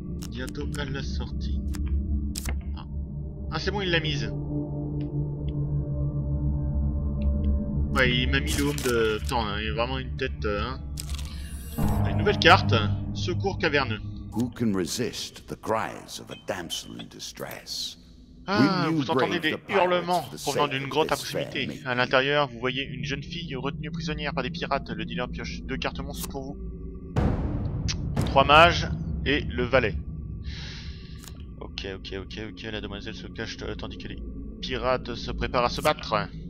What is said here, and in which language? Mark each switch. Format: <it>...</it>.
<fr>bientôt à la sortie. Ah, c'est bon, il l'a mise. Ouais, il m'a mis le home de... Attends, hein, il a vraiment une tête... hein. Une nouvelle carte. Secours caverneux.</fr> <en>Who can resist the cries of a damsel in distress?</en> <fr>Ah, vous entendez des hurlements provenant d'une grotte à proximité. À l'intérieur, vous voyez une jeune fille retenue prisonnière par des pirates. Le dealer pioche deux cartes monstres pour vous. Trois mages et le valet. Ok, ok, ok, ok, la demoiselle se cache tandis que les pirates se préparent à se battre.</fr>